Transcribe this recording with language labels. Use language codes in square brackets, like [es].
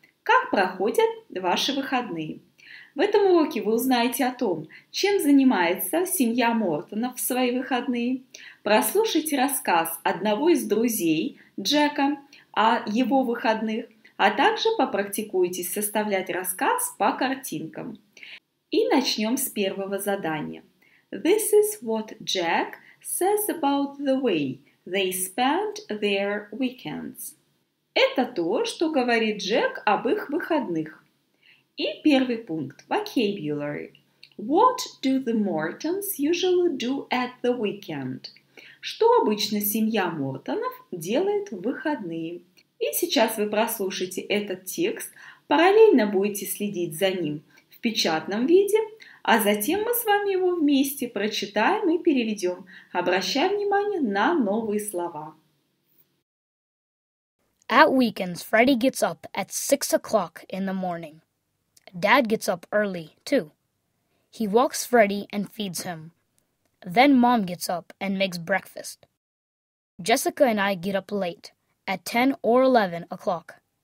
[ru] Как проходят ваши выходные? В этом уроке вы узнаете о том, чем занимается семья Мортонов в свои выходные, прослушайте рассказ одного из друзей Джека о его выходных, а также попрактикуйтесь составлять рассказ по картинкам. И начнем с первого задания. [en] This is what Jack says about the way they spend their weekends. [ru] Это то, что говорит Джек об их выходных. И первый пункт. Vocabulary. [en] What do the Mortons usually do at the weekend? [ru] Что обычно семья Мортонов делает в выходные? И сейчас вы прослушаете этот текст, параллельно будете следить за ним в печатном виде, а затем мы с вами его вместе прочитаем и переведем, обращая внимание на новые слова. [en] At weekends, Freddy gets up at 6 o'clock in the morning. Dad gets up early, too. He walks Freddy and feeds him. Then Mom gets up and makes breakfast. Jessica and I get up late, at 10 or 11 o'clock.